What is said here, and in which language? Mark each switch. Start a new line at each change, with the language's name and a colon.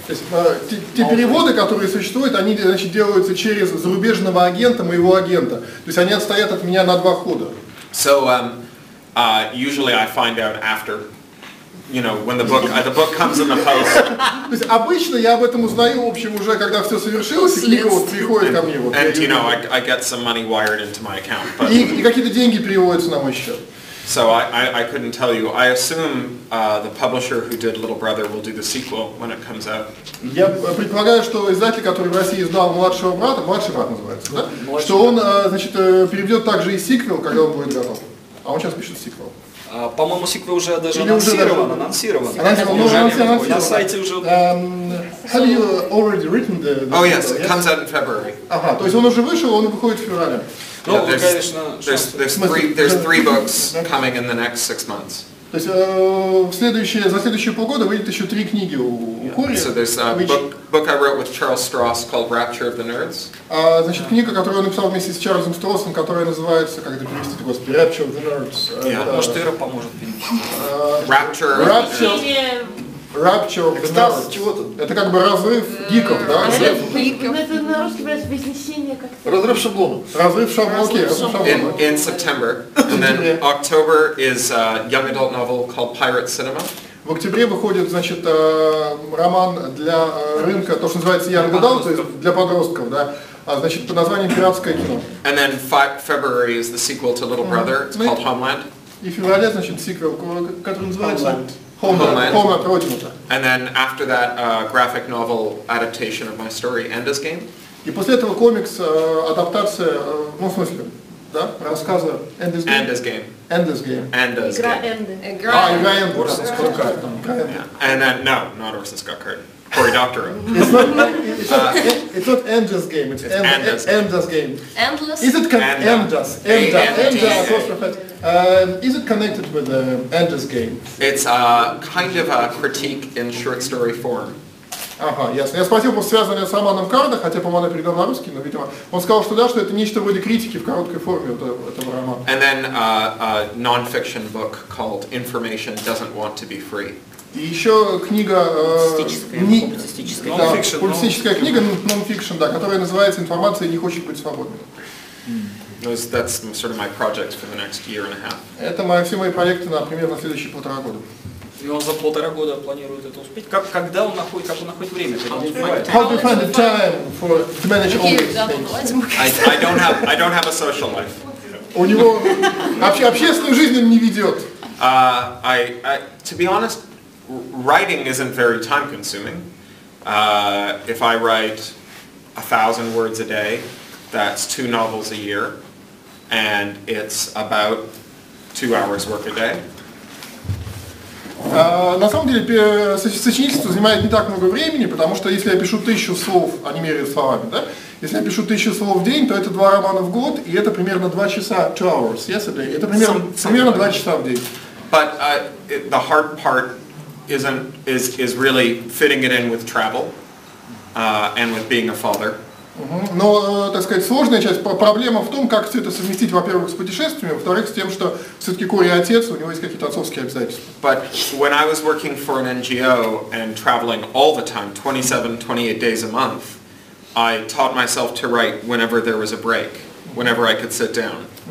Russian: Те переводы, которые существуют, они, значит, делаются через зарубежного агента моего агента. То есть они отстоят от меня на два хода.
English: So usually I find out after, you know, when the book comes in the post.
Russian: То есть обычно я об этом узнаю, в общем, уже когда все совершилось, и книга вот приходит ко мне. Вот,
English: and you know, I get some money wired into my account. But...
Russian: И какие-то деньги переводятся на мой счет.
English: So I couldn't tell you. I assume the publisher who did Little Brother will do the sequel when it comes out.
Russian: Я предполагаю, что издатель, который в России издал младший брат называется, да? Что он, значит, переведет также и сиквел, когда он будет готов. А он сейчас пишет сиквел. По-моему, сиквел уже даже анонсирован. Анонсирован. На сайте уже...
English: Have you already written the... Oh, yes, it comes out in February.
Russian: Ага, то есть он уже вышел, он выходит в феврале. Ну, конечно,
English: there's three books coming in the next six months.
Russian: То есть за следующие полгода выйдет еще три книги у Кори.
English: So there's a book I wrote with Charles Stross called Rapture of the Nerds.
Russian: Значит, книга, которую он написал вместе с Чарльзом Строссом, которая называется, как это перевести, господи, Rapture of the Nerds. Может, Ира поможет перевести. Rapture
English: of the Nerds. Rapture of the Nerds.
Russian: Это как бы разрыв гиков, да? Разрыв гиков. Это на русском вознесение как-то. Разрыв шаблона. Разрыв шаблона. Окей, разрыв шаблона.
English: In September. And then October is a young adult novel called Pirate Cinema.
Russian: В октябре выходит, значит, роман для рынка, то, что называется Young Adult, то есть для подростков, да? Значит, под названием «Пиратское кино».
English: And then February is the sequel to Little Brother. It's called Homeland.
Russian: И в феврале, значит, сиквел, который называется...
English: Homeland. And then after that, a graphic novel adaptation of my story, Ender's Game.
Russian: И после этого комикс адаптация, ну, в смысле, да, рассказа Ender's Game.
English: Ender's Game. Ender's Game. Ender's Game.
Russian: Игра Энды. Игра Энды. Игра Энды.
English: And then, no, not Orson Scott Card. Cory Doctorow. It's not Ender's Game. It's Ender's Game. Endless? Is it Ender's? Ender's. Is it connected with the Ender's Game? It's kind of a critique in short story form.
Russian: Ага, ясно. Я спросил, просто связанное с Романом Карда, хотя, по-моему, я передал на русский, но, видимо, он сказал, что да, что это нечто вроде критики в короткой форме этого романа.
English: And then a non-fiction book called Information Doesn't Want to Be Free.
Russian: И еще книга... Публицистическая книга, нон-фикшн, да, которая называется «Информация не хочет быть свободной». That's sort of my project for the next year and a half. Это мои все мои проекты, например, на следующие полтора года. И он за полтора года планирует это успеть? Как когда он находит, как он находит время?
English: How do you find the time for to manage all these things? I don't have a social life.
Russian: У него общественную жизнь он не ведет.
English: To be honest, writing isn't very time consuming. If I write 1,000 words a day, that's 2 novels a year. And it's about 2 hours work a day.
Russian: На самом деле сочинительство занимает не так много времени, потому что если я пишу 1000 слов, они меряют словами, да? Если я пишу 1000 слов в день, то это 2 романа в год, и это примерно 2 часа,
English: 2 hours, yes, a day.
Russian: Это примерно, примерно 2 часа в день.
English: But the hard part is really fitting it in with travel and with being a father.
Russian: Но, так сказать, сложная часть, проблема в том, как все это совместить, во-первых, с путешествиями, во-вторых, с тем, что все-таки Кори отец, у него есть какие-то отцовские обязательства.
English: But when I was working for an NGO and traveling all the time, 27-28 days a month, I taught myself to write whenever there was a break, whenever I could sit down.